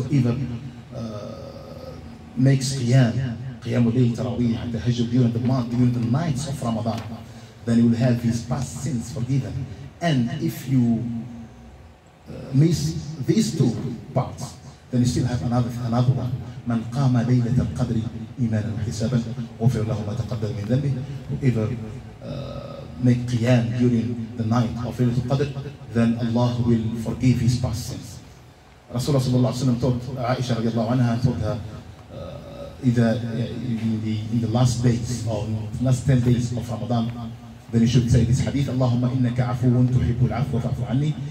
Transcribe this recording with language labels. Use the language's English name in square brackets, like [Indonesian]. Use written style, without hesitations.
[English] Whoever makes [Arabic] قيام الليل تراويح تهجد [English] during the nights of Ramadan, then you will have his past sins forgiven. And if you miss these two parts, then you still have another one. [Arabic] من قام ليلة القدر إيمانا واحتسابا غفر له ما تقدم من ذنبه. [English] Whoever make qiyam during the night of Laylatul Qadr, then Allah will forgive his past sins. Rasulullah sallallahu alayhi wa sallam told Aisha radiallahu anha, told her in the last days or last 10 days of Ramadan, then you should say this hadith, Allahumma innaka afuun tuhibbul afwa fa'fu anni.